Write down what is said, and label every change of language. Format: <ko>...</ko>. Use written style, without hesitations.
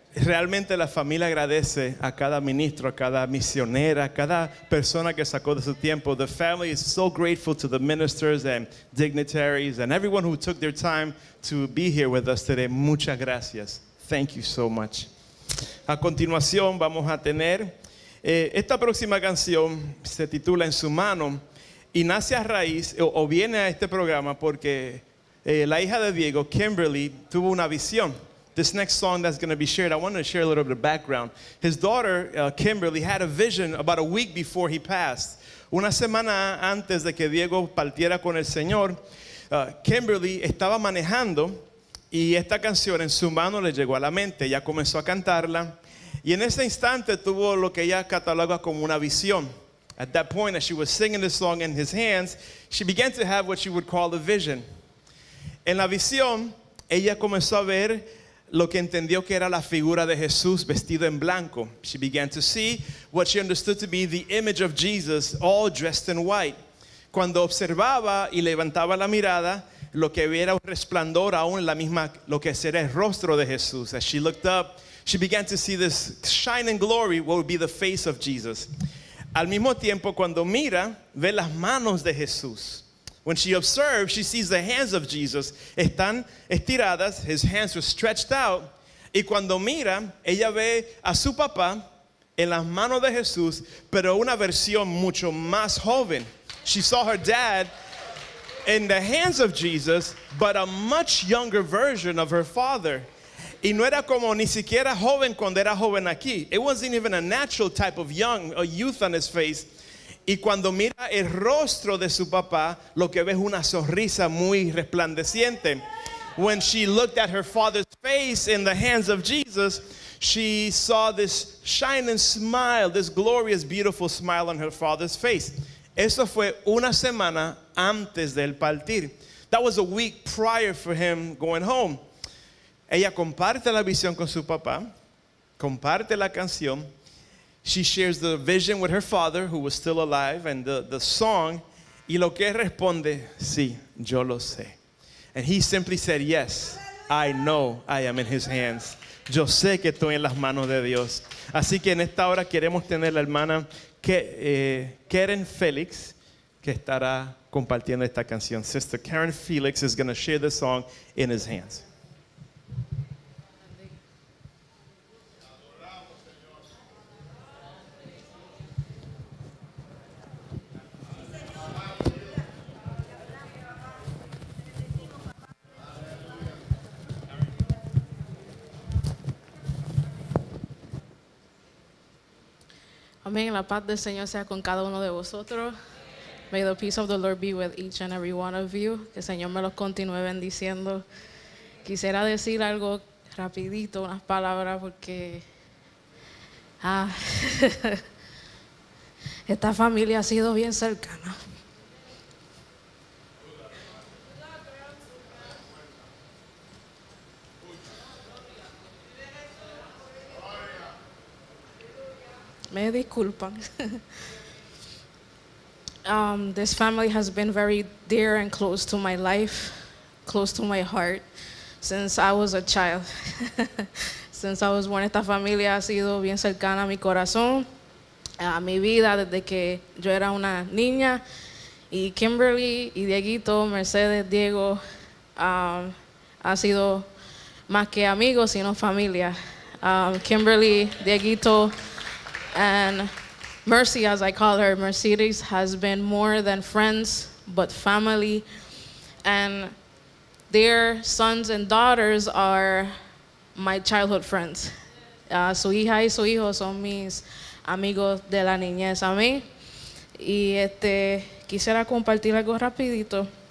<es>Realmente la familia agradece a cada ministro, a cada misionera, a cada persona que sacó de su tiempo.</es> <en>The family is so grateful to the ministers and dignitaries and everyone who took their time to be here with us today.</en> <es>Muchas gracias.</es> <en>Thank you so much.</en> <es>A continuación vamos a tener esta próxima canción. Se titula En su mano y nace a raíz o viene a este programa porque la hija de Diego, Kimberly, tuvo una visión.</es> <en>This next song that's going to be shared, I want to share a little bit of background. His daughter, Kimberly, had a vision about a week before he passed.</en> <es>Una semana antes de que Diego partiera con el Señor, Kimberly estaba manejando y esta canción en su mano le llegó a la mente. Ella comenzó a cantarla y en ese instante tuvo lo que ella cataloga como una visión.</es> <en>At that point, as she was singing this song in his hands, she began to have what she would call a vision.</en> <es>En la visión, ella comenzó a ver lo que entendió que era la figura de Jesús vestido en blanco.</es> <en>She began to see what she understood to be the image of Jesus all dressed in white.</en> <es>Cuando observaba y levantaba la mirada, lo que veía era un resplandor aún en la misma, lo que sería el rostro de Jesús.</es> <en>As she looked up, she began to see this shining glory, what would be the face of Jesus.</en> <es>Al mismo tiempo, cuando mira, ve las manos de Jesús.</es> <en>When she observes, she sees the hands of Jesus.</en> <es>Están estiradas,</es> <en>his hands were stretched out.</en> <es>Y cuando mira, ella ve a su papá en las manos de Jesús, pero una versión mucho más joven.</es> <en>She saw her dad in the hands of Jesus, but a much younger version of her father.</en> <es>Y no era como ni siquiera joven cuando era joven aquí.</es> <en>It wasn't even a natural type of young, a youth on his face.</en> <es>Y cuando mira el rostro de su papá, lo que ve es una sonrisa muy resplandeciente.</es> <en>When she looked at her father's face in the hands of Jesus, She saw this shining smile, this glorious, beautiful smile on her father's face.</en> <es>Eso fue una semana antes del partir.</es> <en>That was a week prior for him going home.</en> <es>Ella comparte la visión con su papá, comparte la canción.</es> <en>She shares the vision with her father, who was still alive, and the song.</en> <es>Y lo que responde, sí, yo lo sé.</es> <en>And he simply said, yes, I know I am in his hands.</en> <es>Yo sé que estoy en las manos de Dios. Así que en esta hora queremos tener la hermana Karen Felix, que estará compartiendo esta canción.</es> <en>Sister Karen Felix is going to share the song In His Hands.</en> <es>Amén. La paz del Señor sea con cada uno de vosotros.</es> <en>May the peace of the Lord be with each and every one of you.</en> <es>Que el Señor me los continúe bendiciendo. Quisiera decir algo rapidito, unas palabras, porque esta familia ha sido bien cercana. Me disculpan.</es> <en>This family has been very dear and close to my life, close to my heart, since I was a child. Since I was born,</en> <es>esta familia ha sido bien cercana a mi corazón, a mi vida, desde que yo era una niña. Y Kimberly y Dieguito, Mercedes, Diego, ha sido más que amigos, sino familia.</es> <en>Kimberly, Dieguito, and Mercy, as I call her, Mercedes, has been more than friends, but family. And their sons and daughters are my childhood friends.</en> <es>Su hija y su hijo son mis amigos de la niñez, amén. Y quisiera compartir algo rapidito.</es>